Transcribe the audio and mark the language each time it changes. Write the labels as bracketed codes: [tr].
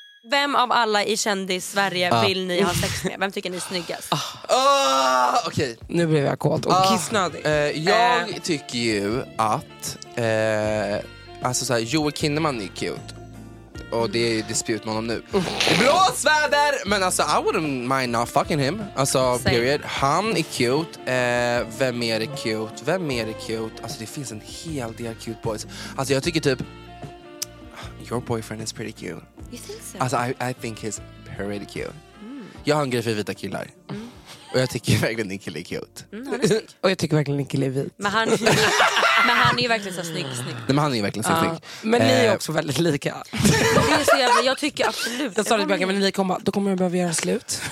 [sv] Vem av alla i kändis Sverige vill ni ha sex med? Vem tycker ni är snyggast? Okej. [en] Okay. [sv] Nu blev jag kåt och kissnödig. Jag tycker ju att alltså såhär, Joel Kinnaman är cute. Och det är ju dispute med honom nu. Bra sväder! Men alltså, [en] I wouldn't mind not fucking him. [sv] Alltså, [en] same. Period. [sv] Han är cute. Vem mer är cute? Alltså, det finns en hel del [en] cute boys. [sv] Alltså, jag tycker typ [en] your boyfriend is pretty cute. You think so? [sv] Alltså, [en] I think he's pretty cute. [sv] Jag har en grej för vita killar. Och jag tycker verkligen din kille är cute. Och jag tycker verkligen din kille är vit. Men han men han är ju verkligen så snygg, snygg. Nej, men han är ju verkligen så snygg. Men ni är också väldigt lika. Jag tycker absolut. Jag sa det till men ni kommer då kommer jag behöva göra slut.